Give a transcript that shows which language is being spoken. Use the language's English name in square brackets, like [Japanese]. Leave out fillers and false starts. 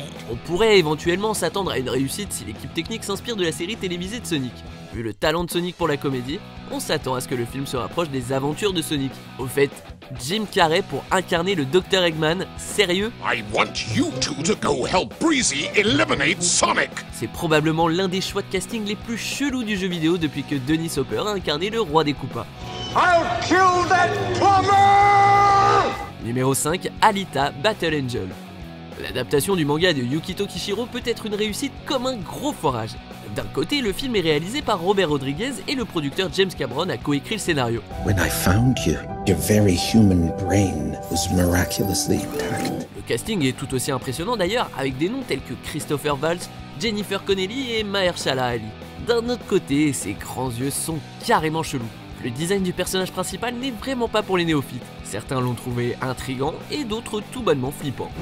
[French] On pourrait éventuellement s'attendre à une réussite si l'équipe technique s'inspire de la série télévisée de Sonic. Vu le talent de Sonic pour la comédie, on s'attend à ce que le film se rapproche des aventures de Sonic. Au fait, Jim Carrey pour incarner le Dr Eggman, sérieux? [English] I want you two to go help Breezy eliminate Sonic. [French] C'est probablement l'un des choix de casting les plus chelous du jeu vidéo depuis que Dennis Hopper a incarné le roi des Koopas. [English] I'll kill that plumber! [French] Numéro 5, Alita Battle Angel. L'adaptation du manga de Yukito Kishiro peut être une réussite comme un gros foirage. D'un côté, le film est réalisé par Robert Rodriguez et le producteur James Cameron a coécrit le scénario. [English] When I found you, your very human brain was miraculously intact. [French] Le casting est tout aussi impressionnant d'ailleurs, avec des noms tels que Christopher Waltz, Jennifer Connelly et Mahershala Ali. D'un autre côté, ses grands yeux sont carrément chelous. Le design du personnage principal n'est vraiment pas pour les néophytes. Certains l'ont trouvé intriguant et d'autres tout bonnement flippant.